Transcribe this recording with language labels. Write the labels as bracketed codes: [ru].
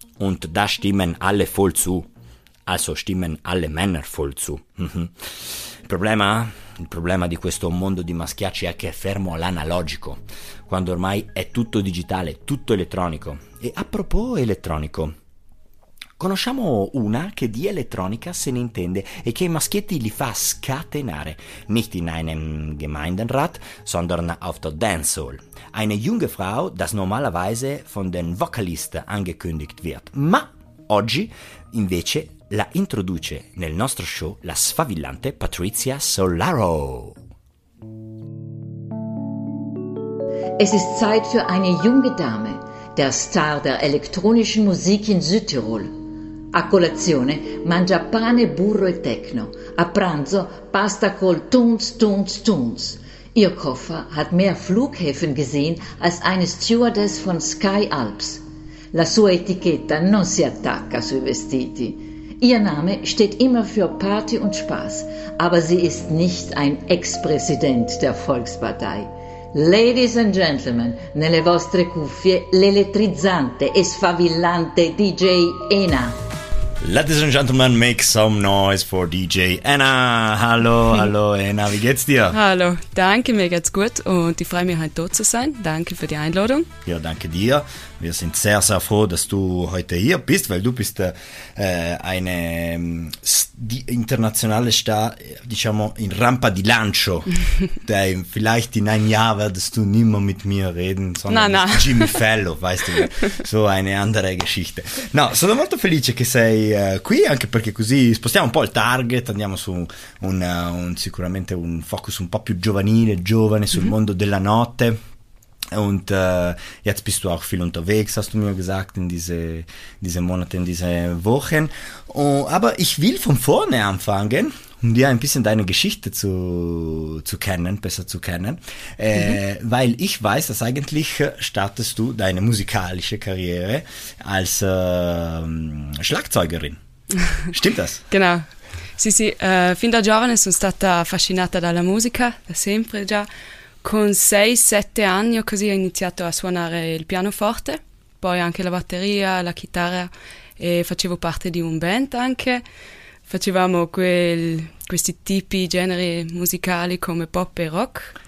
[de] Und da stimmen alle voll zu. Also stimmen alle Männer voll zu. [it] Il problema di questo mondo di maschiacci è che è fermo all'analogico, quando ormai è tutto digitale, tutto elettronico. E a proposito elettronico, conosciamo una che di elettronica se ne intende e che i maschietti li fa scatenare. [de] Nicht in einem Gemeindenrat, sondern auf der Dancehall. Eine junge Frau, das normalerweise von den Vocalisten angekündigt wird. [it] Ma oggi, invece, la introduce nel nostro show la sfavillante Patrizia Solaro. [de] Es ist Zeit für eine junge Dame, der Star der elektronischen Musik in Südtirol. [it] A colazione mangia pane, burro e techno. A pranzo pasta col Tunes, Tunes, Tunes. [de] Ihr Koffer hat mehr Flughäfen gesehen als eine Stewardess von Sky Alps. [it] La sua etichetta non si attacca sui vestiti. [de] Ihr Name steht immer für Party und Spaß, aber sie ist nicht ein Ex-Präsident der Volkspartei. [en] Ladies and Gentlemen, [it] nelle vostre cuffie l'elettrizzante e sfavillante DJ Ena. [en] Ladies and Gentlemen, make some noise for DJ Ena. [de] Hallo, hallo Ena, wie geht's dir? Hallo, danke, mir geht's gut und ich freue mich, heute dort zu sein. Danke für die Einladung. Ja, danke dir. Wir sind sehr, sehr froh, dass du heute hier bist, weil du bist eine internationale Star, [it] diciamo, in Rampa di Lancio. [de] Vielleicht in einem Jahr werdest du nicht mehr mit mir reden, sondern na, na. Jimmy Fallon, weißt du, so eine andere Geschichte. [it] No, sono molto felice che sei qui, anche perché così spostiamo un po' il target, andiamo su sicuramente un focus un po' più giovanile, giovane, sul mondo della notte. [de] Und jetzt bist du auch viel unterwegs, hast du mir gesagt, in diese Monate, in diese Wochen. Aber ich will von vorne anfangen, um dir ein bisschen deine Geschichte besser zu kennen. Weil ich weiß, dass eigentlich startest du deine musikalische Karriere als Schlagzeugerin. Stimmt das? Genau. [it] Sì, sì. Fin da giovane sono stata affascinata dalla musica, da sempre già. Con 6-7 anni ho così iniziato a suonare il pianoforte, poi anche la batteria, la chitarra e facevo parte di un band anche. Facevamo questi tipi generi musicali come pop e rock.